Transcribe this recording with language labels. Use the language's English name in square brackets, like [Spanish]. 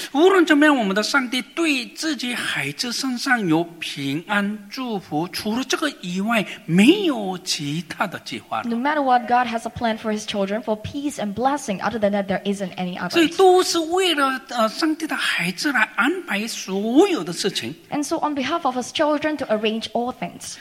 [Chinese] 无论怎么样，我们的上帝对自己孩子身上有平安、祝福，除了这个以外，没有其他的计划了。 [English] No matter what, God has a plan for His children, for peace and blessing. Other than that, there isn't any other. [Chinese] 所以都是为了上帝的孩子来安排所有的事情。 [English] And so, on behalf of His children, to arrange all things.